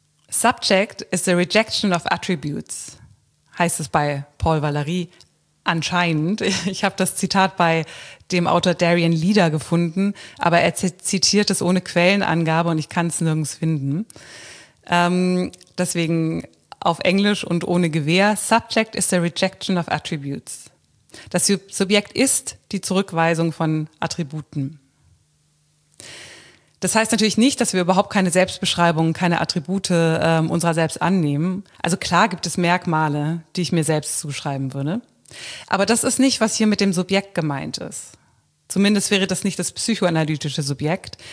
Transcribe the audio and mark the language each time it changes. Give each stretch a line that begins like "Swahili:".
English: Subject is the rejection of attributes,
German: heißt es bei
English: Paul Valéry.
German: Anscheinend, ich habe das Zitat bei dem Autor Darian Leader gefunden, aber er zitiert es ohne Quellenangabe und ich kann es nirgends finden. Deswegen auf Englisch und ohne Gewähr.
English: Subject is the rejection of attributes.
German: Das Subjekt ist die Zurückweisung von Attributen. Das heißt natürlich nicht, dass wir überhaupt keine Selbstbeschreibungen, keine Attribute unserer selbst annehmen. Also klar gibt es Merkmale, die ich mir selbst zuschreiben würde. Aber das ist nicht, was hier mit dem Subjekt gemeint ist. Zumindest wäre das nicht das psychoanalytische Subjekt.